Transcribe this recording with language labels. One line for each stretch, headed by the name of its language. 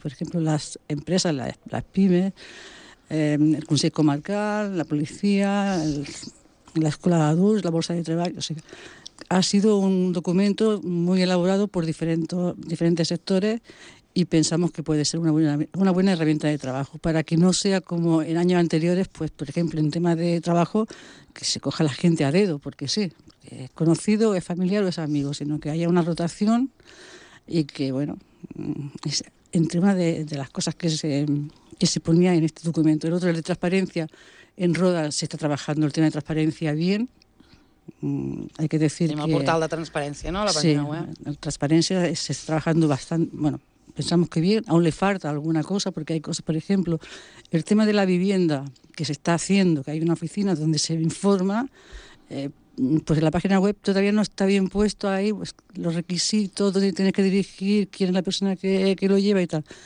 Spanish: Por ejemplo, las empresas, las pymes, el Consejo Comarcal, la policía, la Escuela de Adultos, la Bolsa de Trabajo. O sea, ha sido un documento muy elaborado por diferentes sectores y pensamos que puede ser una buena herramienta de trabajo para que no sea como en años anteriores, pues por ejemplo, en temas de trabajo, que se coja la gente a dedo, porque sí, es conocido, es familiar o es amigo, sino que haya una rotación y que, bueno, es entre una de las cosas que se ponía en este documento. El otro, el de transparencia, en Roda se está trabajando el tema de transparencia bien. Hay que decir
Catalan: tenim que... Tenim el portal de transparència, no? La sí, la transparència s'està treballant bastant...
Spanish: Bueno, pensamos que bien, aún le falta alguna cosa, porque hay cosas, por ejemplo, el tema de la vivienda que se está haciendo, que hay una oficina donde se informa, pues en la página web todavía no está bien puesto ahí pues, los requisitos, dónde tienes que dirigir, quién es la persona que lo lleva y tal.